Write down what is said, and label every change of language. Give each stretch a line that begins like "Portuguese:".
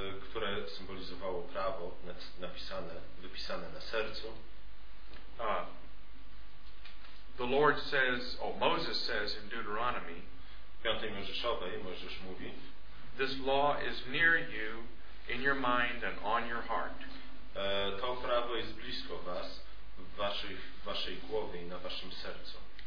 Polish: Które symbolizowało prawo napisane, wypisane na sercu.
English: The Lord says, or Moses says in Deuteronomy,
Polish: w piątej Mojżeszowej Mojżesz mówi,
English: this law is near you, in your mind and on your heart.
Polish: To prawo jest blisko was, w waszej głowie i na waszym sercu.